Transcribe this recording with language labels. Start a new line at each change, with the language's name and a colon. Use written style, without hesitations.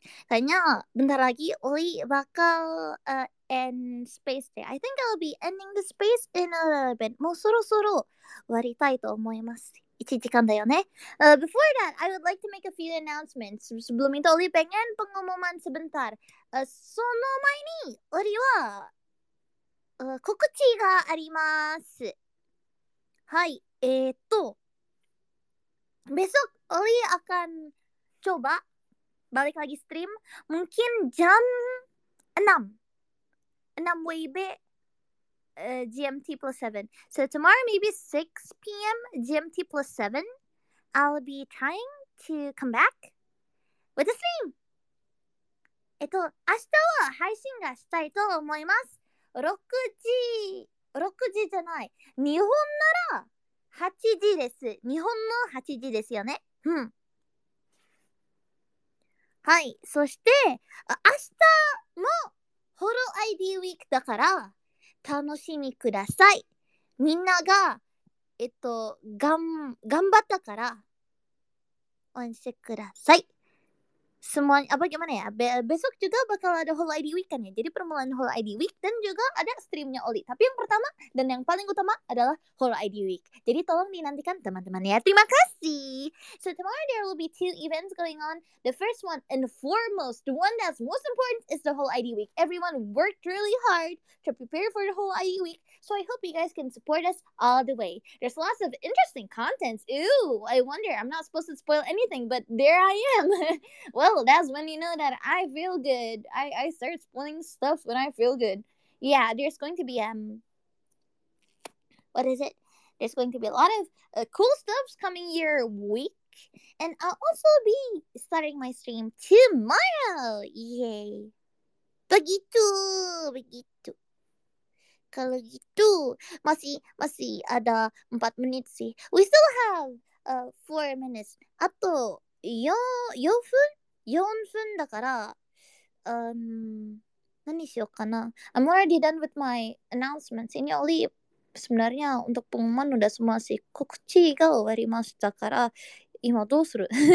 Indonesian: kayaknya bentar lagi Oli bakal end space day.
English: I think I'll be ending the space in a little bit.
Japanese: もうそろそろ終わりたいと思います。 1時間だよね。
English: Before that, I would like to make a few announcements.
Indonesian: Sebelum itu Oli pengen pengumuman sebentar.
Japanese: その前に Oli は告知があります。
Indonesian: はい。Besok Oli akan coba balik lagi stream mungkin jam 6. 6 WIB GMT plus 7.
English: So tomorrow maybe 6 p.m. GMT plus 7. I'll be trying to come back with the stream.
Japanese: 明日は配信がしたいと思います。 6時じゃない。日本なら8時です。日本の8時ですよね。はい。そして、明日もホロ ID ウィークだから楽しみください。みんなが、頑張ったから、応援してください。
Indonesian: Semuanya, apa gimana ya? Besok juga bakal ada Whole ID Week kan ya? Jadi permulaan Whole ID Week dan juga ada streamnya Oli. Tapi yang pertama dan yang paling utama adalah Whole ID Week. Jadi tolong dinantikan teman-teman ya. Terima kasih.
English: So tomorrow there will be two events going on. The first one and foremost, the one that's most important is the Whole ID Week. Everyone worked really hard to prepare for the Whole ID Week. So I hope you guys can support us all the way. There's lots of interesting contents. Ooh, I wonder. I'm not supposed to spoil anything, but there I am. Well, that's when you know that I feel good. I start spoiling stuff when I feel good. Yeah, there's going to be, what is it? There's going to be a lot of cool stuffs coming your week. And I'll also be starting my stream tomorrow. Yay.
Indonesian: Begitu, begitu. Kalau gitu, masih ada 4 menit sih.
English: We still have 4 minutes.
Japanese: あと 4分だから、何しようかな。
English: I'm already done with my announcements.
Indonesian: Ini Oli, sebenarnya untuk pengumuman udah semua sih.
Japanese: 告知が終わりましたから、今どうする?